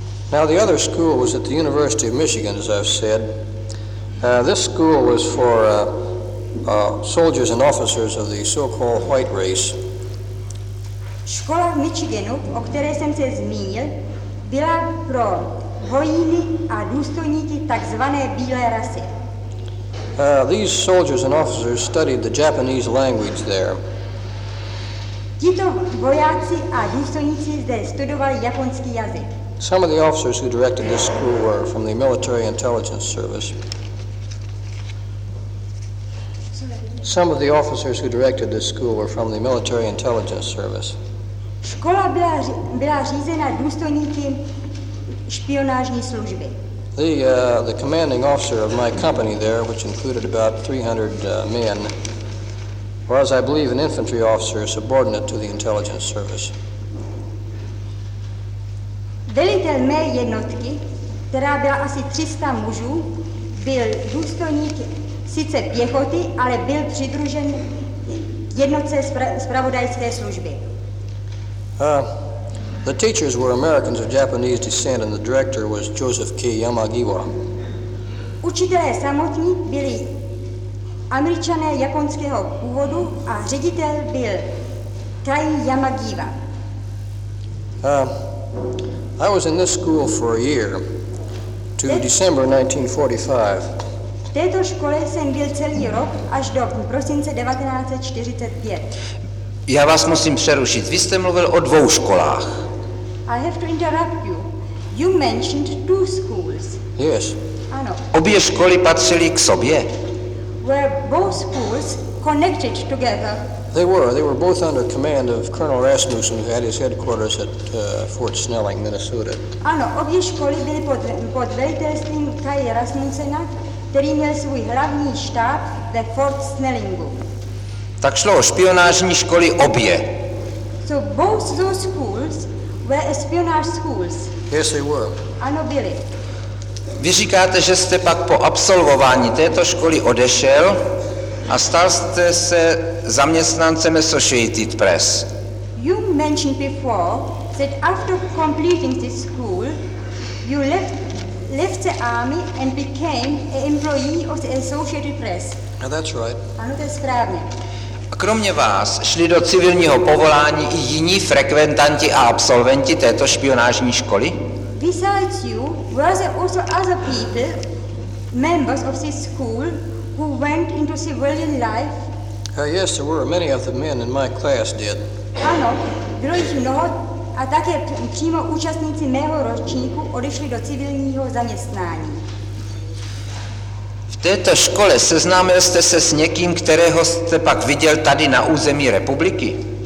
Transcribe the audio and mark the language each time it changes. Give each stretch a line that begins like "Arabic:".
English: Now the other school was at the University of Michigan, as I've said. This school was for soldiers and officers of the so-called white race.
Czech: Škola v Michiganu, o které jsem se zmínil, byla pro vojíny a důstojníky takzvané bílé rasy.
English: These soldiers and officers studied the Japanese language there.
Czech: Tito vojáci a důstojníci zde studovali japonský jazyk.
English: Some of the officers who directed this school were from the Military Intelligence Service. Some of the officers who directed this school were from the Military Intelligence Service.
Czech: Škola byla řízena důstojníky špionážní služby.
English: The commanding officer of my company there, which included about 300 men, was, I believe, an infantry officer subordinate to the intelligence service.
Czech: Velitel mé jednotky, která byla asi 300 mužů, byl důstojník sice pěchoty, ale byl přidružen jednotce zpravodajské služby.
English: The teachers were Americans of Japanese descent, and the director was Joseph K. Yamagiwa.
Czech: Učitelé samotní byli Američané japonského původu a ředitel byl Kai Yamagiwa.
English: I was in this school for a year, to December 1945.
Czech: V této škole jsem byl celý rok až do prosince 1945. Já vás musím přerušit. Vy jste mluvil o dvou školách.
English: I have to interrupt you. You mentioned two schools. Yes.
Czech: Ano. Obě školy patřily k sobě.
English: Were both schools connected together? They were both under command of Colonel Rasmussen, who had his headquarters at Fort Snelling, Minnesota.
Czech: Ano, obě školy byly pod velitelstvím Kaja Rasmussena, který měl svůj hlavní štáb ve Fort Snellingu. Tak šlo o špionážní školy obě.
English: So both those schools were espionage schools. Yes, they were.
Czech: Ano, byly. Vy říkáte, že jste pak po absolvování této školy odešel a stal jste se zaměstnancem Associated Press.
English: You mentioned before that after completing this school, you left the army and became an employee of the Associated Press. No, that's right.
Czech: Ano, to je správně. Kromě vás šli do civilního povolání i jiní frekventanti a absolventi této špionážní školy?
English: Besides you, were there also other people, members of this school, who went into civilian life? Yes, there were many of the men in my class did.
Czech: Ano, bylo jich mnoho a také přímo účastníci mého ročníku odešli do civilního zaměstnání. V této škole seznámil jste se s někým, kterého jste pak viděl tady na území republiky?